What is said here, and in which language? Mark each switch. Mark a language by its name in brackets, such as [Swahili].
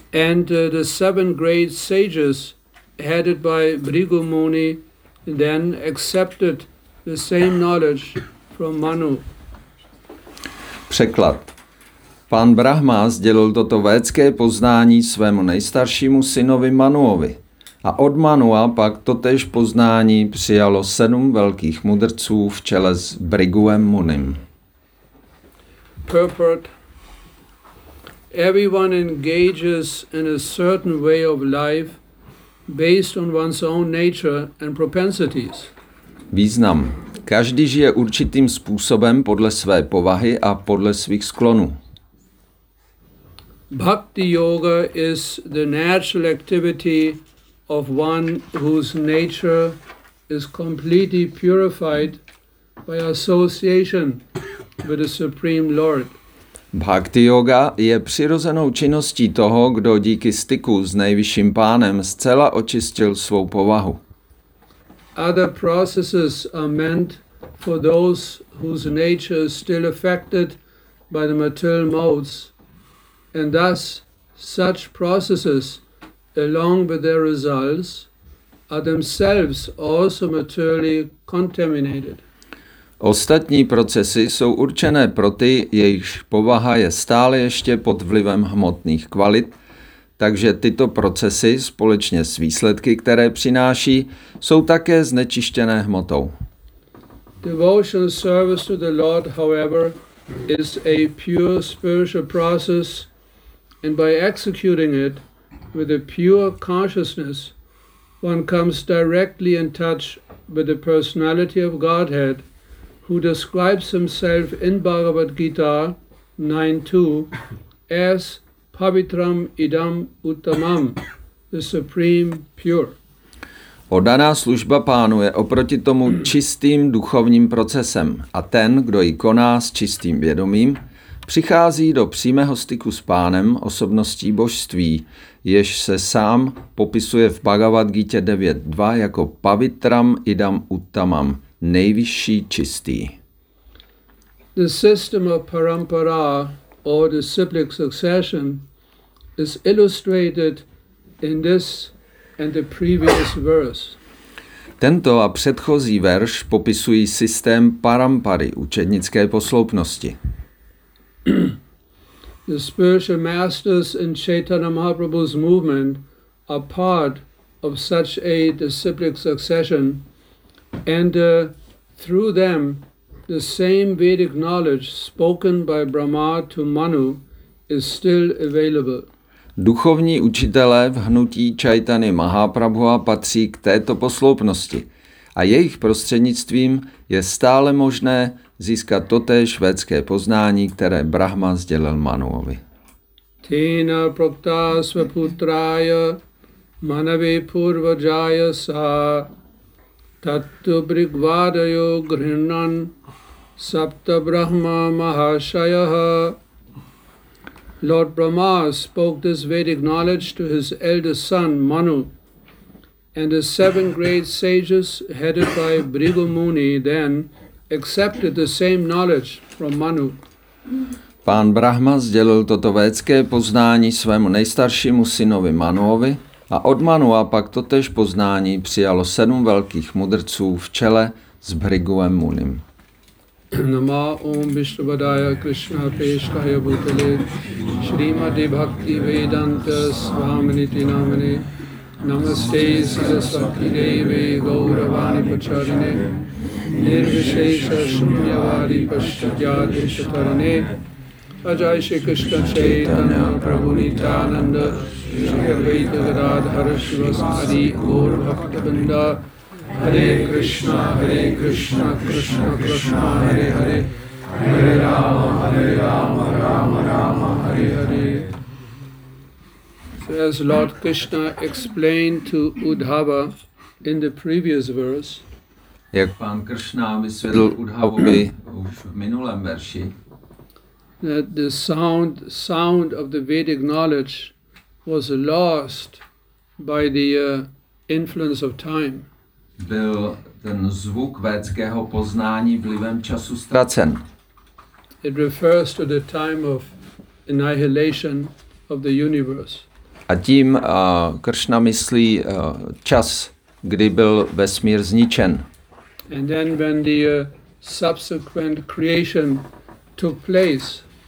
[English] And the seven great sages, headed by Bhrigu Muni, then accepted the same knowledge from Manu. [Czech] Překlad. Pán Brahma sdělil toto védské poznání svému nejstaršímu synovi Manuovi. A od Manua pak totéž poznání přijalo sedm velkých mudrců v čele s Bhriguem Munim. [English] Purport. Everyone engages in a certain way of life based on one's own nature and propensities. [Czech] Význam. Každý žije určitým způsobem podle své povahy a podle svých sklonů. [English] Bhakti yoga is the natural activity of one whose nature is completely purified by association with the Supreme Lord. [Czech] Bhakti yoga je přirozenou činností toho, kdo díky styku s nejvyšším pánem zcela očistil svou povahu. [English] Other processes are meant for those whose nature is still affected by the material modes, and thus such processes, along with their results, are themselves also materially contaminated. [Czech] Ostatní procesy jsou určené pro ty, jejichž povaha je stále ještě pod vlivem hmotných kvalit, takže tyto procesy společně s výsledky, které přináší, jsou také znečištěné hmotou. [English] Devotional service to the Lord, however, is a pure spiritual process, and by executing it with a pure consciousness, one comes directly in touch with the personality of Godhead, who describes himself in Bhagavad Gita 9.2 as [Sanskrit] Pavitram Idam Uttamam, [English] the Supreme Pure. [Czech] Oddaná služba pánu je oproti tomu čistým duchovním procesem a ten, kdo ji koná s čistým vědomím, přichází do přímého styku s pánem osobností božství, jež se sám popisuje v Bhagavad Gita 9.2 jako [Sanskrit] Pavitram Idam Uttamam, [Czech] nejvyšší čistý. [English] The system of parampara or the cyclic succession is illustrated in this and the previous verse. [Czech] Tento a předchozí verš popisují systém parampary učednické posloupnosti. [English] The spiritual masters in Chaitanya Mahaprabhu's movement are part of such a disciplic succession, and through them, the same Vedic knowledge spoken by Brahma to Manu is still available. [Czech] Duchovní učitelé v hnutí Chaitany Mahaprabhuva patří k této posloupnosti a jejich prostřednictvím je stále možné získat totéž védské poznání, které Brahma sdělil Manuovi. [Sanskrit] Tena prokta svaputraya manave purvajaya sa tattu brigvadayo grhinnan sapta brahma mahashayaha. [English] Lord Brahma spoke this Vedic knowledge to his eldest son, Manu, and the seven great sages headed by Bhrigu Muni then accepted the same knowledge from Manu. [Czech] Pán Brahma sdělil toto védské poznání svému nejstaršímu synovi Manuovi a od Manua pak totéž poznání přijalo sedm velkých mudrců v čele s Bhriguem Munim. [Sanskrit] Nama Om Vishnupadaya Krishna Peshkaya Bhutale Srimati Bhakti Vedanta Swaminiti Namane Namaste Sarasvati Devi Gauravani Pacharane Nirvishesha Shunyavadi Pashtyadi Shatarane Ajay Shri Krishna Chaitanya Prabhu Nityananda Shri Advaita Gadadhara Shivasadi Gaur Bhaktivinoda Hare Krishna, Krishna Krishna, Hare Hare, Hare Rama, Hare Rama, Rama Rama, Hare Hare. [English] So as Lord Krishna explained to Uddhava in the previous verse, [Czech] jak pán Krishna vysvětlil Uddhavovi už v minulém verši, [English] that the sound of the Vedic knowledge was lost by the influence of time. [Czech] Byl ten zvuk védského poznání vlivem času ztracen. [English] It refers to the time of annihilation of the universe. [Czech] A tím Krishna myslí čas, kdy byl vesmír zničen. [English] And then when the subsequent creation took place.